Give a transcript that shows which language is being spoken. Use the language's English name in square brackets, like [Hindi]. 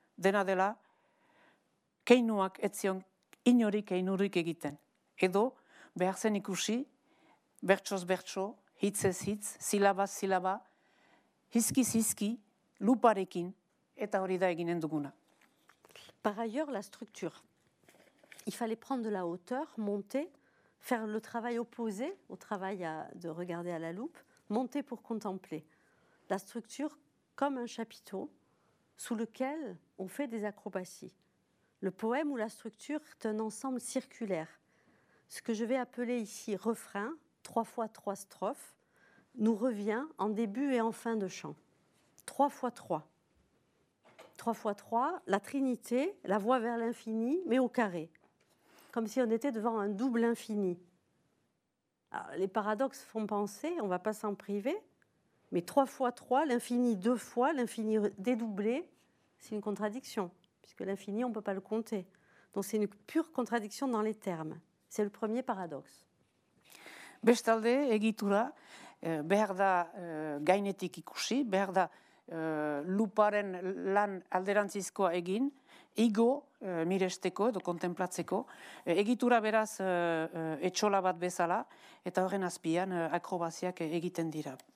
[Basque] Dena dela, keinuak etzion inori keinurik egiten. Edo behar zen ikusi, bertsoz bertso, hitzez hitz, silabaz silaba, hizkiz hizki, luparekin, eta hori da eginen duguna. [French] Par ailleurs, la structure. Il fallait prendre de la hauteur, monter, faire le travail opposé au travail de regarder à la loupe, monter pour contempler. La structure comme un chapiteau sous lequel on fait des acrobaties. Le poème ou la structure est un ensemble circulaire. Ce que je vais appeler ici refrain, 3x3 strophes, nous revient en début et en fin de chant. 3x3. 3x3, la trinité, la voie vers l'infini, mais au carré. Comme si on était devant un double infini. Alors, les paradoxes font penser, on ne va pas s'en priver, mais 3x3, l'infini 2 fois, l'infini dédoublé, c'est une contradiction, puisque l'infini, on ne peut pas le compter. Donc c'est une pure contradiction dans les termes. C'est le premier paradoxe. [Basque] Bestalde, egitura, behar da gainetik ikusi, behar da luparen lan alderantzizkoa egin, igo miresteko edo kontemplatzeko, egitura beraz etxola bat bezala, eta horren azpian akrobaziak egiten dira.